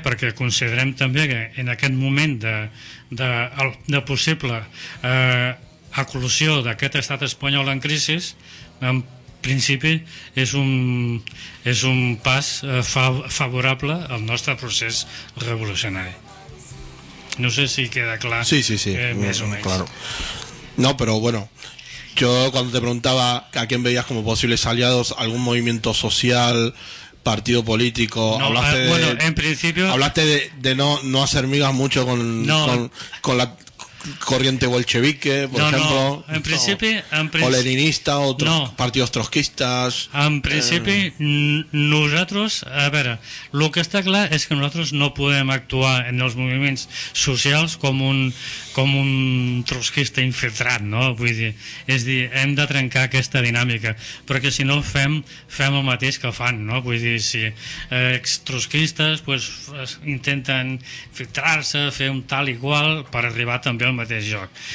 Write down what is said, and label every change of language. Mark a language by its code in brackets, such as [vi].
[ca] Perquè considerem també que en aquest moment de possible eclosió d'aquest estat espanyol en crisi, en principi és un pas favorable al nostre procés revolucionari. No sé si queda clar. Sí, sí, sí. Més o menys. [es] Claro. No, però bueno, yo cuando te preguntaba a quién veías como posibles aliados, algún movimiento social, partido político, no, hablaste bueno, en principio, hablaste de no hacer migas mucho con la corriente bolchevique, por ejemplo. En principio, o leninista, partidos trotskistas. En principio, nosotros, a ver, lo que está claro es que nosotros no podemos actuar en los movimientos sociales como un trotskista infiltrado, ¿no? [ca] Vull dir, és dir, hem de trencar aquesta dinàmica, perquè si no fem el mateix que fan, ¿no? Vull dir, si trotskistes pues intenten infiltrar-se, fer un tal i qual per arribar també al mateix lloc.